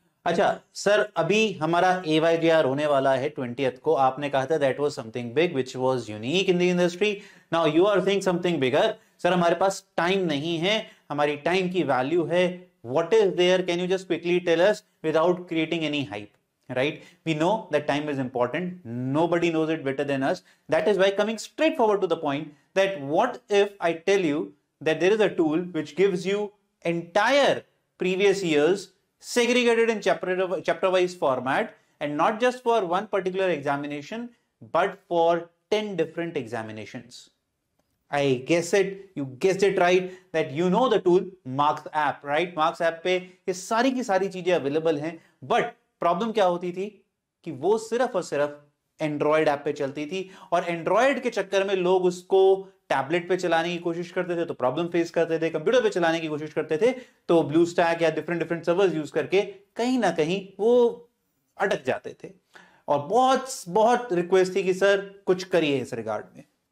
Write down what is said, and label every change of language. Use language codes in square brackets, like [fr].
[hi] अच्छा सर, अभी हमारा AYJR होने वाला है 20th को। आपने कहा था [en] That was something big which was unique in the industry, now you are think something bigger. [hi] Sir हमारे पास टाइम नहीं है, हमारी टाइम की वैल्यू है। [en] What is there, can you just quickly tell us without creating any hype? Right, we know that time is important, nobody knows it better than us. That is why coming straight forward to the point, that what if I tell you that there is a tool which gives you entire previous years segregated in chapter-wise format, and not just for one particular examination but for 10 different examinations. I guess it, you guessed it right, that you know the tool Marks App, right? [hi] Marks App pe ye sari ki sari cheeze available hain, but problem क्या होती थी कि वो सिर्फ और सिर्फ Android app पे चलती थी, और एंड्रॉयड के चक्कर में लोग उसको टैबलेट पे चलाने की कोशिश करते थे तो प्रॉब्लम फेस करते थे, कंप्यूटर पे चलाने की कोशिश करते थे तो ब्लू स्टैक या डिफरेंट डिफरेंट सर्वर्स यूज करके कहीं ना कहीं वो अटक जाते थे, और बहुत बहुत रिक्वेस्ट थी कि सर कुछ करिए इस रिगार्ड में।